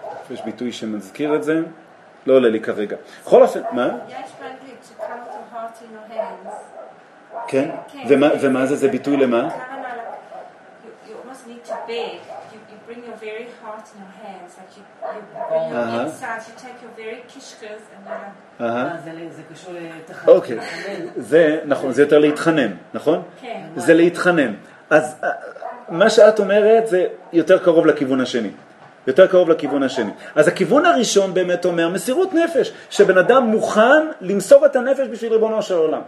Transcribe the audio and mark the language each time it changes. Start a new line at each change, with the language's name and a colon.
Hebrew: יש ביטוי שמזכיר את זה, לא עולה לי כרגע. בכל אופן, מה? יש באנגלית,
English: to come to heart in your hands.
Hebrew: כן? ומה זה? זה ביטוי למה?
English: You almost need to beg. You bring your very heart in your hands. Like you bring your inside, you take your very kishkes and then...
Hebrew: זה קשור להתחנן. זה, נכון, זה יותר להתחנן, נכון? כן. זה להתחנן. אז מה שאת אומרת זה יותר קרוב לכיוון השני. יותר קרוב לכיוון השני. אז הכיוון הראשון באמת אומר מסירות נפש, שבן אדם מוכן למסור את הנפש בשביל ריבונו של עולם.